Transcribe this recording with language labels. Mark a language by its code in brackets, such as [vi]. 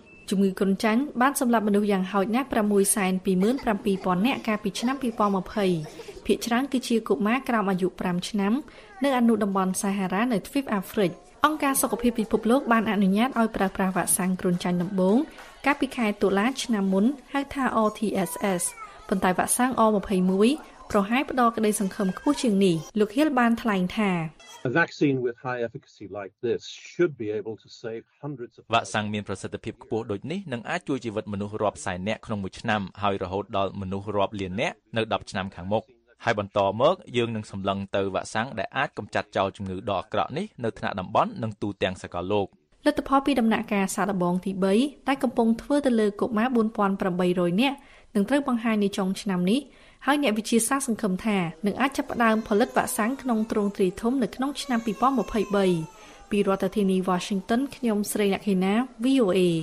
[km] ជំងឺគ្រុនចាញ់បានសម្លាប់មនុស្សយ៉ាងហោចណាស់627,000នាក់កាលពីឆ្នាំ2020ភាគច្រើនគឺជាកុមារក្រោមអាយុ5ឆ្នាំនៅអនុតំបន់សាហារ៉ានៅទ្វីបអាហ្វ្រិកអង្គការសុខភាពពិភពលោកបានអនុញ្ញាតឲ្យប្រើប្រាស់វ៉ាក់សាំងគ្រុនចាញ់ដំបូងកាលពីខែតុលាឆ្នាំមុនហៅថា RTSS ប៉ុន្តែវ៉ាក់សាំង R21 ប្រហែលផ្ដល់ក្តីសង្ឃឹមខ្ពស់ជាងនេះលោក Hill បានថ្លែងថា [en] A vaccine with high efficacy like this should be able to save hundreds of [km] វ៉ាក់សាំងមានប្រសិទ្ធភាពខ្ពស់ដូចនេះនឹងអាចជួយជីវិតមនុស្សរាប់សែននាក់ក្នុងមួយឆ្នាំហើយរហូតដល់មនុស្សរាប់លាននាក់នៅ10ឆ្នាំខាងមុខហើយបន្តមកយើងនឹងសម្លឹងទៅវ៉ាក់សាំងដែលអាចកម្ចាត់ចោលជំងឺដ៏អាក្រក់នេះនៅថ្នាក់តំបន់និងទូទាំងសកលលោក លទ្ធផលពីដំណាក់កាលសាកល្បងទី3តែកំពុងធ្វើទៅលើកុមារ 4,800 នាក់នឹងត្រូវបង្ហាញនៅចុងឆ្នាំនេះហើយអ្នកវិទ្យាសាស្ត្រសង្ឃឹមថានឹងអាចចាប់ផ្ដើមផលិតវ៉ាក់សាំងក្នុងទ្រង់ទ្រីធំនៅក្នុងឆ្នាំ2023ពីរដ្ឋធានី Washington ខ្ញុំស្រីលក្ខិណា VOA